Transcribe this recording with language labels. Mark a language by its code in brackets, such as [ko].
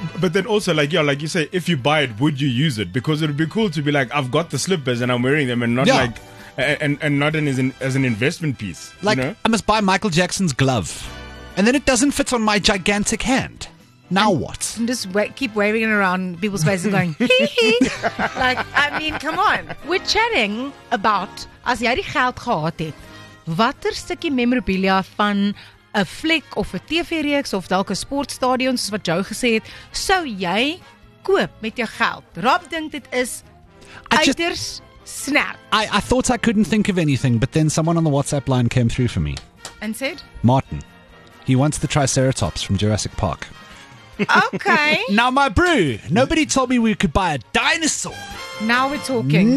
[en] But then also, like you say, if you buy it, would you use it? Because it would be cool to be like, I've got the slippers and I'm wearing them and not like, and not as an investment piece. Like, you know? I must buy Michael Jackson's glove. And then it doesn't fit on my gigantic hand. Now and what? And just keep waving it around people's faces and going, hee hee. Like, I mean, come on. We're chatting about, [af] as jy die geld gehad het, watter stukkie memorabilia van 'n fliek of 'n TV-reeks of dalk 'n sportstadion soos wat jy gesê het, sou jy koop met jou geld? Rob dink dit is uiters snaps. [en] I thought I couldn't think of anything, but then someone on the WhatsApp line came through for me. And said? Martin. He wants the Triceratops from Jurassic Park. Okay. Now my brew. Nobody told me we could buy a dinosaur. Now we're talking.